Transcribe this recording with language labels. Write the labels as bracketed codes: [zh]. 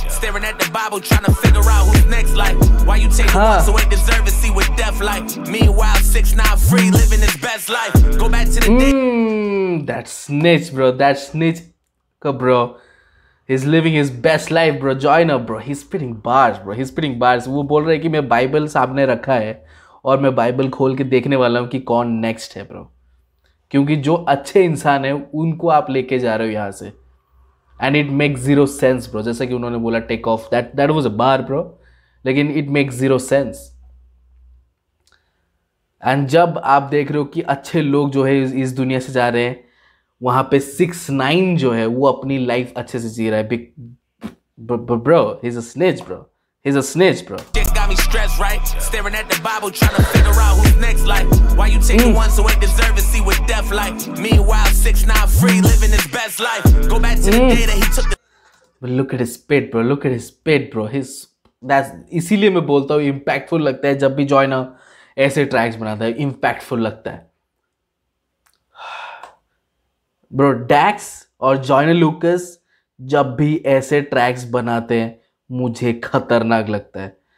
[en] Staring at the Bible, trying to figure out who's next, like. Why you take ones who ain't deserve to see what death like? Meanwhile, 6ix9ine free, living his best life. Go back to the day. That snitch, bro. That snitch, bro. He's living his best life, bro. Joyner, bro. He's spitting bars, bro. He's spitting bars. [hi] वो बोल रहा है कि मैं Bible सामने रखा है और मैं Bible खोल के देखने वाला हूँ कि कौन next है, bro. क्योंकि जो अच्छे इंसान है उनको आप लेके जा रहे हो यहाँ से. [en] And it makes zero sense bro. [hi] जैसा कि उन्होंने बोला [en] Take off, that that was a bar bro, लेकिन it makes zero sense. [hi] And जब आप देख रहे हो कि अच्छे लोग जो है इस दुनिया से जा रहे हैं, वहां पे 6ix9ine जो है वो अपनी लाइफ अच्छे से जी रहा है. [en] Big bro is a snitch bro. He's a snitch, bro. Just got me stressed, right? Yeah. Staring at the Bible, trying to figure out who's next, like. Why you taking ones who ain't deserving, see what death like. Meanwhile, 6ix9ine free, living his best life. Go back to the day that he took the... But look at his spit, bro. Look at his spit, bro. His... That's... [hi] इसीलिए मैं बोलता हूँ, impactful लगता है जब भी Joyner ऐसे tracks बनाता है. Impactful लगता है. Bro, Dax और Joyner Lucas जब भी ऐसे tracks बनाते हैं, मुझे खतरनाक लगता है.